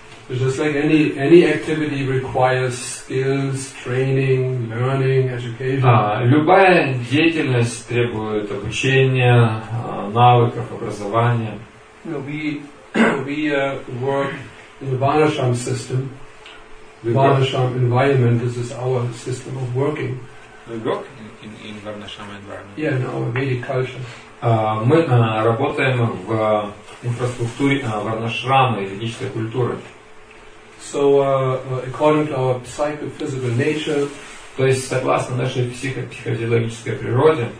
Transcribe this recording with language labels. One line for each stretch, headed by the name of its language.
English: Just like any activity requires skills, training, learning, education.
Russian: Любая деятельность требует обучения, навыков, образования.
English: We work in the Varnashram system. Varnashram environment, this is our system of working. We work in Varnashram environment. Yeah, in our Vedic culture.
Russian: Мы работаем в инфраструктуре Варнашрама и ведической культуры.
English: So according to our psychophysical nature,
Russian: то есть согласно нашей психофизиологической природе,